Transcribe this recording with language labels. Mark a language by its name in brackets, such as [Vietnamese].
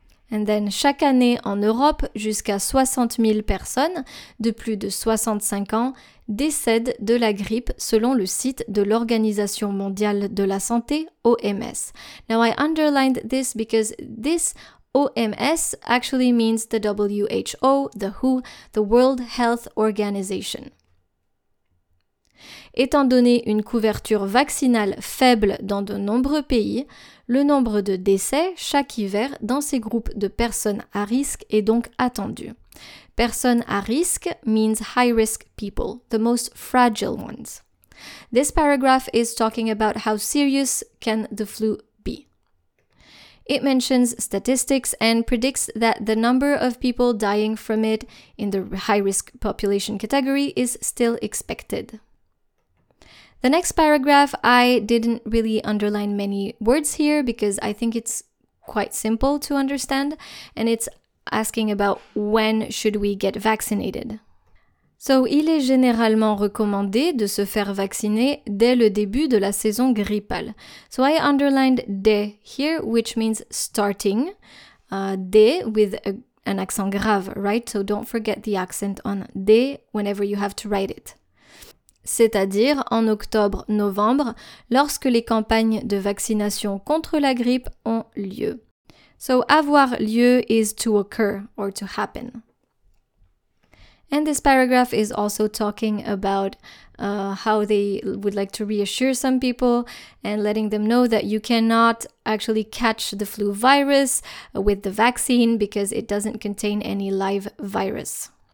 [English] And then, [French] chaque année en Europe, jusqu'à 60 000 personnes de plus de 65 ans décèdent de la grippe selon le site de l'Organisation mondiale de la santé, OMS. [English] Now, I underlined this because this OMS actually means the WHO, the WHO, the World Health Organization. [French] Étant donné une couverture vaccinale faible dans de nombreux pays, le nombre de décès chaque hiver dans ces groupes de personnes à risque est donc attendu. Personnes à risque [English] means high-risk people, the most fragile ones. This paragraph is talking about how serious can the flu be. It mentions statistics and predicts that the number of people dying from it in the high-risk population category is still expected. The next paragraph, I didn't really underline many words here because I think it's quite simple to understand, and it's asking about when should we get vaccinated. [French] So, il est généralement recommandé de se faire vacciner dès le début de la saison grippale. [English] So, I underlined dès here, which means starting, dès with an accent grave, right? So, don't forget the accent on dès whenever you have to write it. [French] C'est-à-dire en octobre-novembre, lorsque les campagnes de vaccination contre la grippe ont lieu. [English] So, [French] avoir lieu [English] is to occur or to happen. And this paragraph is also talking about how they would like to reassure some people and letting them know that you cannot actually catch the flu virus with the vaccine because it doesn't contain any live virus.